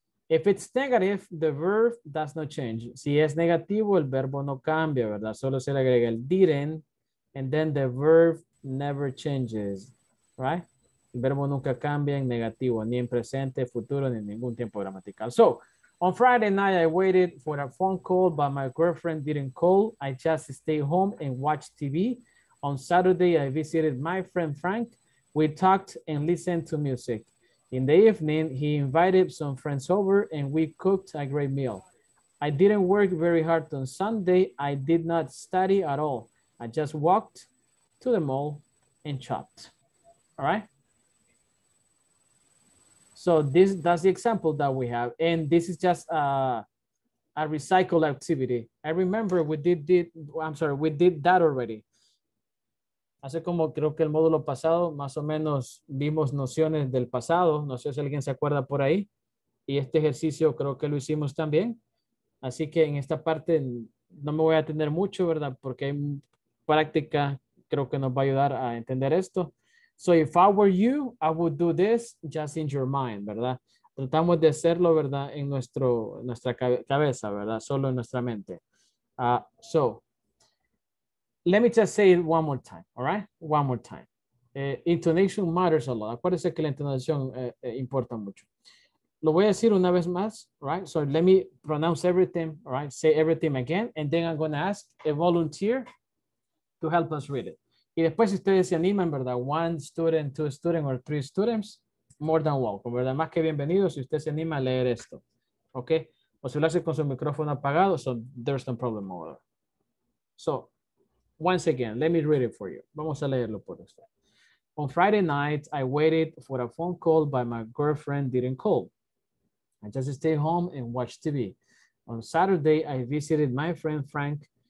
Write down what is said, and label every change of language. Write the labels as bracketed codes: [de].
[en] If it's negative, the verb does not change. [es] Si es negativo, el verbo no cambia, ¿verdad? Solo se le agrega el [en] didn't, and then the verb never changes, right? [es] El verbo nunca cambia en negativo, ni en presente, futuro, ni en ningún tiempo gramatical. [en] So, on Friday night, I waited for a phone call, but my girlfriend didn't call. I just stayed home and watched TV. On Saturday, I visited my friend Frank. We talked and listened to music. In the evening, he invited some friends over and we cooked a great meal. I didn't work very hard on Sunday. I did not study at all. I just walked to the mall and shopped. All right? So this, that's the example that we have. And this is just a recycled activity. I remember we did that already. [es] Hace como creo que el módulo pasado, más o menos vimos nociones del pasado. No sé si alguien se acuerda por ahí. Y este ejercicio creo que lo hicimos también. Así que en esta parte no me voy a atender mucho, ¿verdad? Porque hay práctica, creo que nos va a ayudar a entender esto. [en] So if I were you, I would do this just in your mind, ¿verdad? [es] Tratamos de hacerlo, ¿verdad? En nuestra cabeza, ¿verdad? Solo en nuestra mente. [en] So... Let me just say it one more time, all right? One more time. Intonation matters a lot. [es] Acuérdense que la intonación importa mucho. Lo voy a decir una vez más, right? [en] So let me pronounce everything, all right? Say everything again, and then I'm going to ask a volunteer to help us read it. [es] Y después si ustedes se animan, [en] ¿verdad? One student, two students, or three students, more than welcome, ¿verdad? [es] Más que bienvenido si usted se anima a leer esto, ¿ok? O si lo hace con su micrófono apagado, [en] so there's no problem over. So... Once again, let me read it for you. [es] Vamos a leerlo por usted. [en] On Friday night, I waited for a phone call, but my girlfriend didn't call. I just stayed home and watched TV. On Saturday, I visited my friend Frank.